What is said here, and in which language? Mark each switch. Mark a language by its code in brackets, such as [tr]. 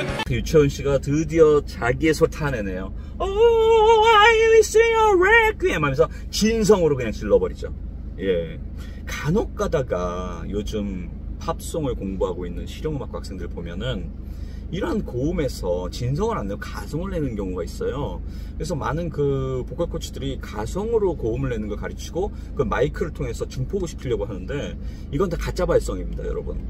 [ko] 유채훈 씨가 드디어 자기의 소리 타내네요. [en] Oh, I will sing a requiem [ko] 하면서 진성으로 그냥 질러버리죠. 예. 간혹 가다가 요즘 팝송을 공부하고 있는 실용음악과 학생들 보면은 이런 고음에서 진성을 안 내고 가성을 내는 경우가 있어요. 그래서 많은 그 보컬 코치들이 가성으로 고음을 내는 걸 가르치고 그 마이크를 통해서 증폭을 시키려고 하는데 이건 다 가짜 발성입니다, 여러분.